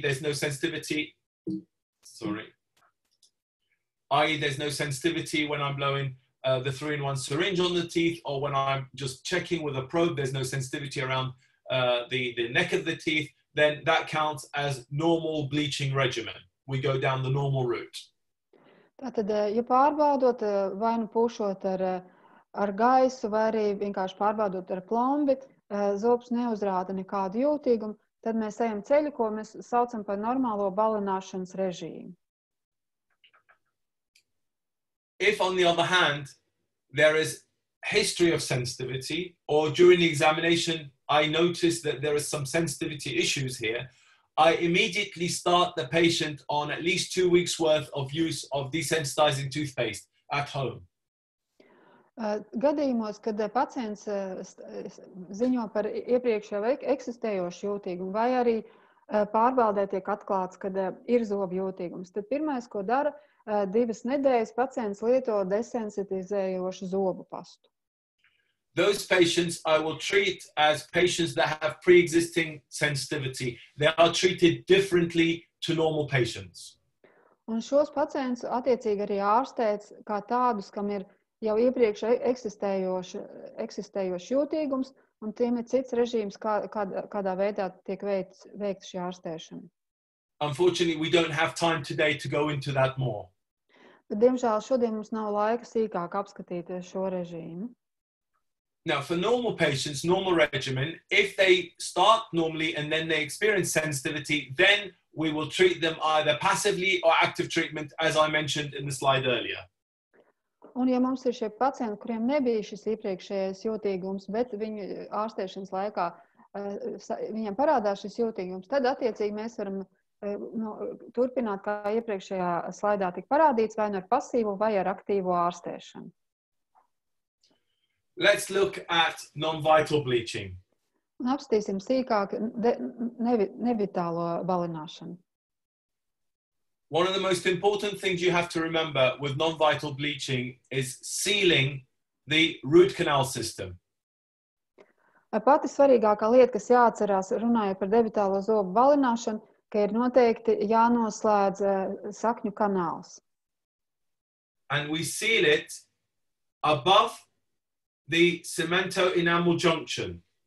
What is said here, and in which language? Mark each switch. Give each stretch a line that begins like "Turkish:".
English: there's no sensitivity, i.e. there's no sensitivity when I'm blowing the 3-in-1 syringe on the teeth or when I'm just checking with a probe, there's no sensitivity around the neck of the teeth, then that counts as normal bleaching regimen. We go down the normal route.
Latvian: Tātad, ja pārbaudot vai nu pūšot ar gaisu vai arī vienkārši pārbaudot ar plombi, zobs neuzrāda nekādu jūtīgumu, tad mēs ejam ceļu, ko mēs saucam par normālo balināšanas režīmu.
English: If, on the other hand, there is history of sensitivity or during the examination I notice that there is some sensitivity issues here, I immediately start the patient on at least 2 weeks worth of use of desensitizing toothpaste at home.
Latvian: Gadījumos, kad pacients ziņo par iepriekšējo vai eksistējošu jūtīgumu vai arī pārbaudē tiek atklāts, kad ir zobu jūtīgums, tad pirmais, ko dara, divas nedēļas pacients lieto desensitizējošu zobu pastu.
English: Those patients I will treat as patients that have pre-existing sensitivity. They are treated differently to normal patients.
Latvian: Un šos pacientus attiecīgi arī ārstēts kā tādus, kam ir jau iepriekš eksistējošs jūtīgums, un tiem ir cits režīms, kādā veidā tiek veikta šī ārstēšana.
English: Unfortunately, we don't have time today to go into that more.
Latvian: Bet, diemžēl, šodien mums nav laika sīkāk apskatīt šo režīmu.
English: Now, for normal patients, normal regimen, if they start normally and then they experience sensitivity, then we will treat them either passively or active treatment, as I mentioned in the slide earlier.
Latvian: Un ja mums ir šie pacienti, kuriem nebija šis iepriekšējais jūtīgums, bet viņu ārstēšanas laikā viņam parādās šis jūtīgums, tad attiecīgi mēs varam turpināt, kā iepriekšējā slaidā tik parādīts, vai ar pasīvu vai ar aktīvu ārstēšanu.
English: Let's look at non-vital bleaching.
Latvian: Un apskatīsim sīkāk nevitālo balināšanu.
English: One of the most important things you have to remember with non-vital bleaching is sealing the root canal system.
Latvian: Pati svarīgākā lieta, kas jāatcerās, runājot par debitālo zobu balināšanu, ka ir noteikti jānoslēdz sakņu kanāls.
English: And we seal it above the cemento enamel junction.